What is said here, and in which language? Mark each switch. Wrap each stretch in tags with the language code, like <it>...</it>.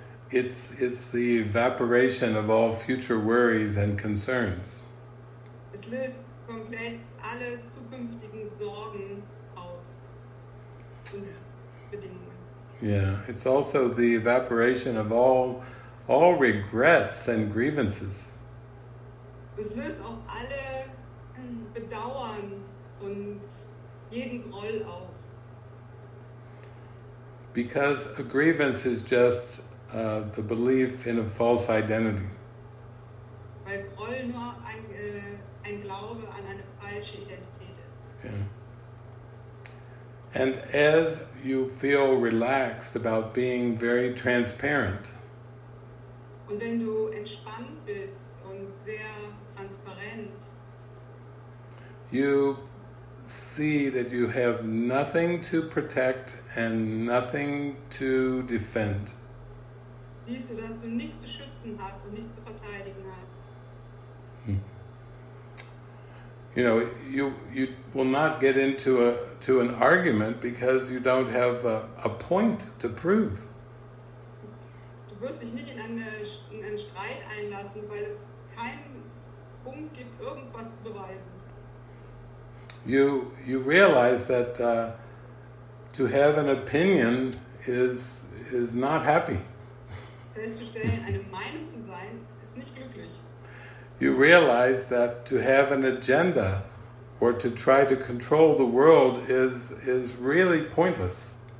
<en>It's the evaporation of all future worries and concerns.</en> <de>Es löst komplett alle zukünftigen Sorgen auf und Bedingungen.</de> <en>Yeah, it's also the evaporation of all regrets and grievances.</en> <de>Es löst auch alle Bedauern und jeden Groll auf.</de> <en>Because a grievance is just the belief in a false identity.</en> <de>Weil Groll nur ein Glaube an eine falsche Identität ist.</de> <en>Yeah. And as you feel relaxed about being very transparent.</en> <de>Und wenn du entspannt bist und sehr transparent.</de> <en>You see that you have nothing to protect and nothing to defend.</en> <de>Siehst du, dass du nichts zu schützen hast und nichts zu verteidigen hast.</de> <en>You know, you will not get into an argument because you don't have a point to prove.</en> <de>Du wirst dich nicht in einen Streit einlassen, weil es keinen Punkt gibt, irgendwas zu beweisen.</de> <en>You realize that to have an opinion is not happy.</en> <de>Festzustellen, eine Meinung zu sein, ist nicht glücklich.</de> <en>You realize that to have an agenda or to try to control the world is really pointless.</en>